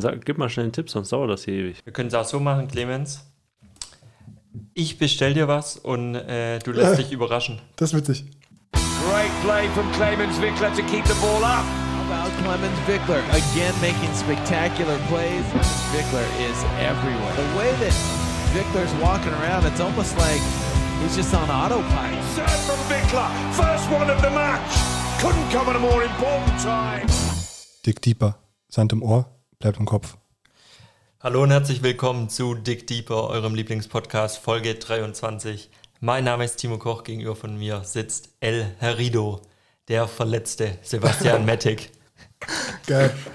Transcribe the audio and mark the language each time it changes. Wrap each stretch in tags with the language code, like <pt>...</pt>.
<de>Sag, gib mal schnell einen Tipp, sonst dauert das hier ewig. Wir können es auch so machen, Clemens. Ich bestell dir was und du lässt dich überraschen. Das ist witzig.</de> <en>Great play from Clemens Wickler to keep the ball up. About Clemens Wickler again making spectacular plays. Wickler is everywhere. The way that Wickler's walking around, it's almost like he's just on autopilot. Serve from Wickler, first one of the match. Couldn't come at a more important time. Dig deeper.</en> <de>Sand im Ohr, bleibt im Kopf. Hallo und herzlich willkommen zu Dig Deeper, eurem Lieblingspodcast, Folge 23. Mein Name ist Timo Koch, gegenüber von mir sitzt El Herido, der Verletzte, Sebastian Mettig. Geil.</de>